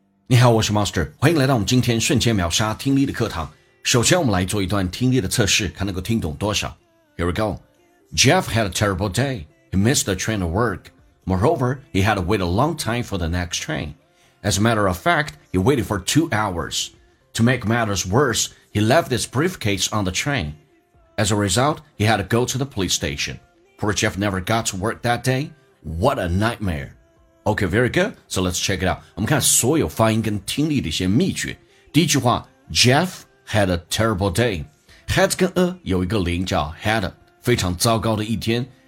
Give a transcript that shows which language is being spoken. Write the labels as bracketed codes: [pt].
[zh] 你好，我是 Monster， 欢迎来到我们今天瞬间秒杀听力的课堂。首先我们来做一段听力的测试，看能够听懂多少。 [en] Here we go. Jeff had a terrible day. He missed the train to work. Moreover, he had to wait a long time for the next train. As a matter of fact, he waited for 2 hours. To make matters worse, he left his briefcase on the train. As a result, he had to go to the police station. Poor Jeff never got to work that day. What a nightmare. Okay, very good. So let's check it out. [zh] 我们看所有发音跟听力的一些秘诀。第一句话 , [en] Jeff had a terrible day. [zh] Had 跟 a 有一个零叫 had, 非常糟糕的一天。